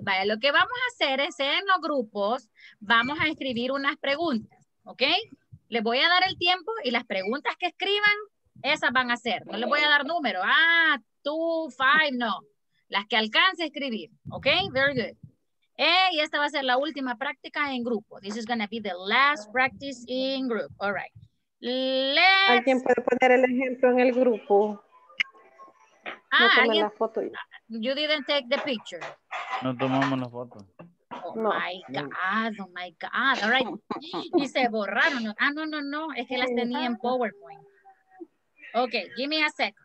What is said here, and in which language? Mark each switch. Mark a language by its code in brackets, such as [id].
[es] Vaya, lo que vamos a hacer es en los grupos, vamos a escribir unas preguntas, okay? Les voy a dar el tiempo y las preguntas que escriban, esas van a ser. No les voy a dar número. Ah, 2, 5, no. Las que alcance a escribir, okay? [en] Very good. [es] Y esta va a ser la última práctica en grupo. [en] This is going to be the last practice in group. All right. [es] ¿Alguien puede poner el ejemplo en el grupo? Ah, no, la foto. [en] You didn't take the picture. [es] No tomamos la foto. [en] Oh my God. Oh my God. All right. [es] Y se borraron. [en] Ah, no, no, no. [es] Es que las tenía en PowerPoint. Okay, [en] give me a second.